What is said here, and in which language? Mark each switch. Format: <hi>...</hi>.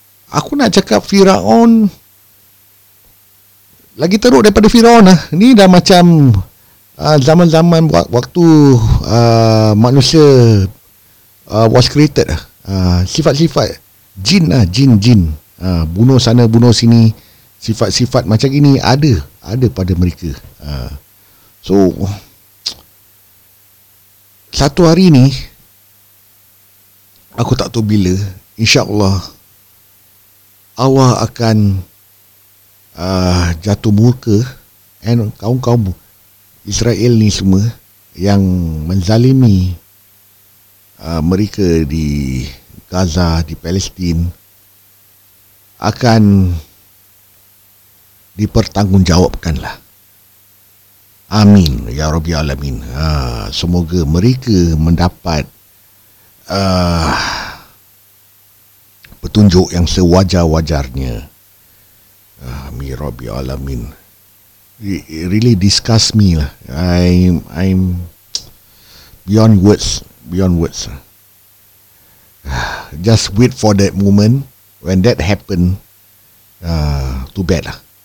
<ms>Aku nak cakap Firaun lagi teruk daripada Firaun lah. Ni dah macam zaman-zaman waktu manusia</ms> <en>was created.</en> <ms>Sifat-sifat jin lah, jin-jin. Bunuh sana, bunuh sini. Sifat-sifat macam ini ada, ada pada mereka. So satu hari ni, aku tak tahu bila, insyaAllah Allah akan jatuh murka, and kaum-kaum Israel ni semua yang menzalimi mereka di Gaza, di Palestin, akan dipertanggungjawabkan lah. Amin ya Rabbi Alamin. Semoga mereka mendapat petunjuk yang sewajar-wajarnya. Amin ya Rabbi Alamin.</ms> <en>It really disgusts me lah. I'm beyond words. Beyond words. Just wait for that moment. When that happen, too bad lah.</en>